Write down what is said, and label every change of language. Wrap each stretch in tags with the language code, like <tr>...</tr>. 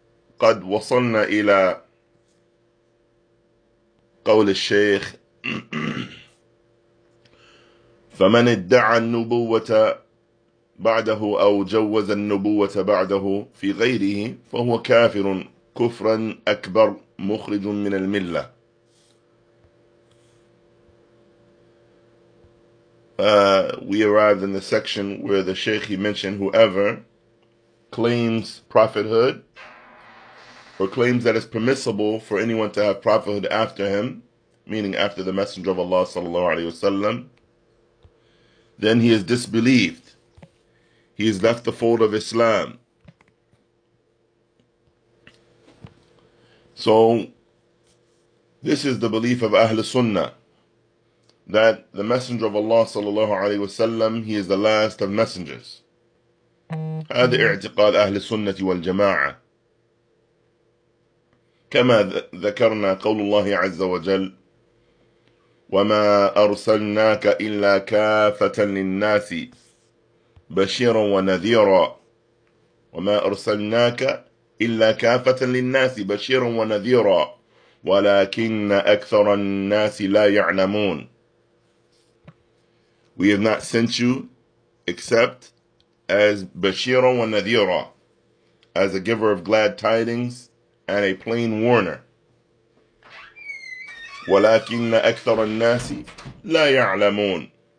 <ar>وقد وصلنا إلى قول الشيخ: فمن ادعى النبوة بعده أو جوز النبوة بعده في غيره فهو كافر كفرا أكبر مخرج من الملة.</ar> <en>We arrived in the section where the Shaykh, he mentioned whoever claims prophethood or claims that it's permissible for anyone to have prophethood after him, meaning after the Messenger of Allah sallallahu alayhi wasallam, then he is disbelieved. He has left the fold of Islam. So this is the belief of Ahl Sunnah, that the Messenger of Allah sallallahu alayhi wa sallam, he is the last of messengers.</en> <ar>هذا اعتقاد أهل السنة والجماعة. كما ذكرنا قول الله عز وجل: وما أرسلناك إلا كافة للناس بشيرا ونذيرا. وما أرسلناك إلا كافة للناس بشيرا ونذيرا ولكن أكثر الناس لا يعلمون.</ar> <en>We have not sent you except as</en> <ar>Bashira wa Nadhira,</ar> <en>as a giver of glad tidings and a plain warner.</en> <ar>وَلَكِنَّ أَكْثَرَ النَّاسِ لَا يَعْلَمُونَ.</ar>